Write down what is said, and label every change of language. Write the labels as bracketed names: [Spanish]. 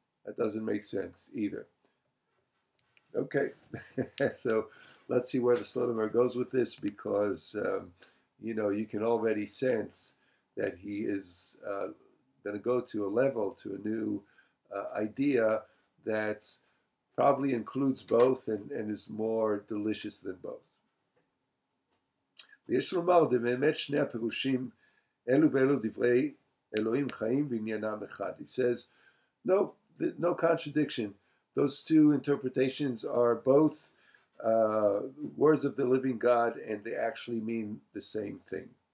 [English] That doesn't make sense either. Okay, so let's see where the Solomer goes with this, because you know, you can already sense that he is going to go to a level, to a new idea that probably includes both and is more delicious than both. [Hebrew] ויש לומר, דה באמת שני הפירושים, אלו ואלו דברי אלוהים חיים ועניינם אחד. [English] He says, no contradiction. Those two interpretations are both words of the living God, and they actually mean the same thing.